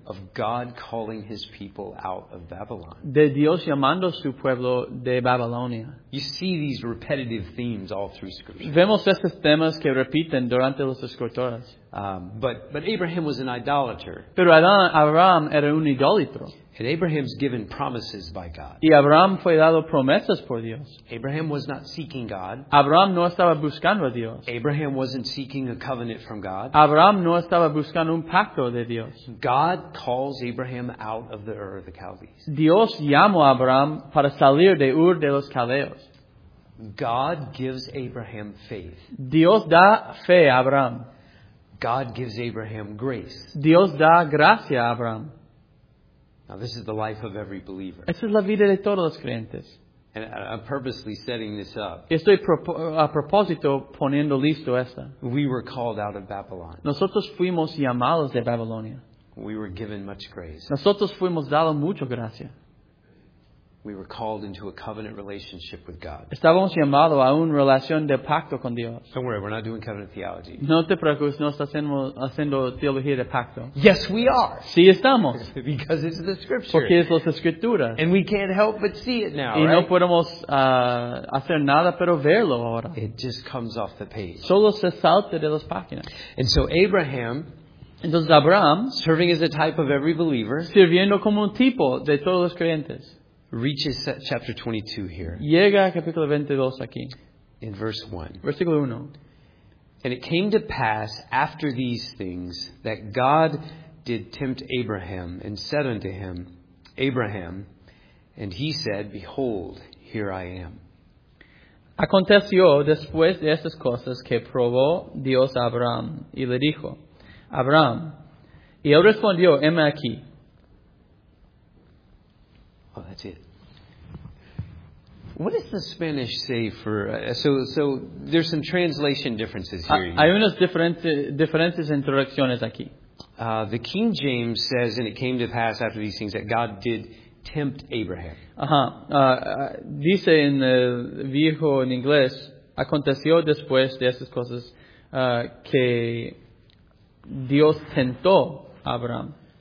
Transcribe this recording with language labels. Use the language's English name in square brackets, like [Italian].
[English] of God calling His people out of Babylon. [Spanish] De Dios llamando su pueblo de Babilonia. [English] You see these repetitive themes all through Scripture. [Spanish] Vemos estos temas que repiten durante las escrituras. [English] But Abraham was an idolater. [Spanish] Pero Abraham era un idólatro. [English] And Abraham's given promises by God. [Spanish] Y Abraham fue dado promesas por Dios. [English] Abraham was not seeking God. [Spanish] Abraham no estaba buscando a Dios. [English] Abraham wasn't seeking a covenant from God. [Spanish] Abraham no estaba buscando un pacto de Dios. [English] God calls Abraham out of the Ur of the Chaldees. [Spanish] Dios llamó a Abraham para salir de Ur de los Caldeos. [English] God gives Abraham faith. [Spanish] Dios da fe a Abraham. [English] God gives Abraham grace. [Spanish] Dios da gracia a Abraham. [English] Now this is the life of every believer. [Spanish] Esa es la vida de todos los creyentes. [English] And I'm purposely setting this up. [Spanish] Estoy a propósito poniendo listo esta. [English] We were called out of Babylon. [Spanish] Nosotros fuimos llamados de Babilonia. [English] We were given much grace. [Spanish] Nosotros fuimos dado mucho gracia. [English] We were called into a covenant relationship with God. [Spanish] Estábamos llamados a una relación de pacto con Dios. [English] Don't worry, we're not doing covenant theology. [Spanish] No te preocupes, no estamos haciendo teología de pacto. [English] Yes, we are. [Spanish] Sí, estamos. [English] Because it's the scripture. [Spanish] Porque es las escrituras. [English] And we can't help but see it now. [Spanish] Y no podemos hacer nada pero verlo ahora. [English] It just comes off the page. [Spanish] Solo se salta de las páginas. [English] And so Abraham. [Spanish] Entonces Abraham, [English] serving as a type of every believer. [Spanish] Sirviendo como un tipo de todos los creyentes. [English] Reaches chapter 22 here. [Spanish] Llega a capítulo 22 aquí. [English] In verse 1. [Spanish] Versículo 1. [English] And it came to pass after these things that God did tempt Abraham and said unto him, Abraham, and he said, Behold, here I am. [Spanish] Aconteció después de estas cosas que probó Dios a Abraham y le dijo, Abraham, y él respondió, heme aquí. [English] Oh, that's it. What does the Spanish say for... So there's some translation differences here. [Spanish] Hay unas diferentes en traducciones aquí. [English] The King James says, and it came to pass after these things, that God did tempt Abraham. [Spanish] Dice en el viejo en inglés, aconteció después de estas cosas que Dios tentó a Abraham.